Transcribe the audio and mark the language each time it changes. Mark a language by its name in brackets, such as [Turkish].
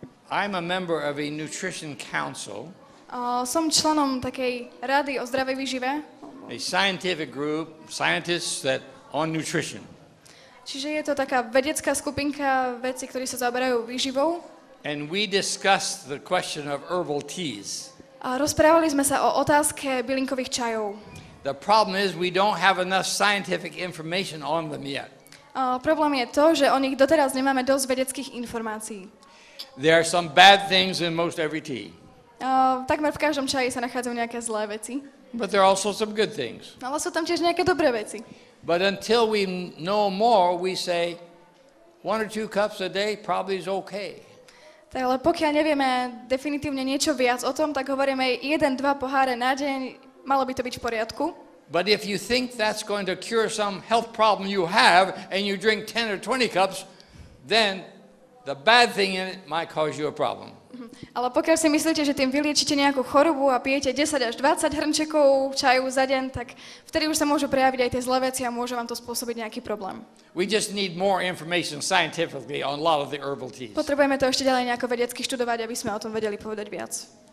[English] I'm a member of a nutrition council. [Slovak] Som členom takej rady o zdravej výžive. [English] a scientific group, scientists that on nutrition. [Slovak] Čiže je to taká vedecká skupinka vecí, ktorí sa zaoberajú výživou. [English] And we discussed the question of herbal teas. [Slovak] A rozprávali sme sa o otázke bylinkových čajov. [English] The problem is we don't have enough scientific information on them yet. [Slovak] Problém je to, že o nich doteraz nemáme dosť vedeckých informácií. [English] There are some bad things in most every tea. [Slovak] Takmer v každom čaji sa nachádzajú nejaké zlé veci. [English] But there are also some good things. [Slovak] Ale sú tam tiež nejaké dobré veci. [English] But until we know more, we say one or two cups a day probably is okay. [Slovak] Tak ale pokiaľ nevieme definitívne niečo viac o tom, tak hovoríme jeden, dva poháre na deň, malo by to byť v poriadku. [English] But if you think that's going to cure some health problem you have and you drink 10 or 20 cups, then the bad thing in it might cause you a problem. [Slovak] Ale pokiaľ si myslíte, že tým vyliečite nejakú chorobu a pijete 10 až 20 hrnčekov čaju za deň, tak vtedy už sa môžu prejaviť aj tie zlé veci a môže vám to spôsobiť nejaký problém. [English] We just need more information scientifically on a lot of the herbal teas. [Slovak] Potrebujeme to ešte ďalej nejako vedecky študovať, aby sme o tom vedeli povedať viac.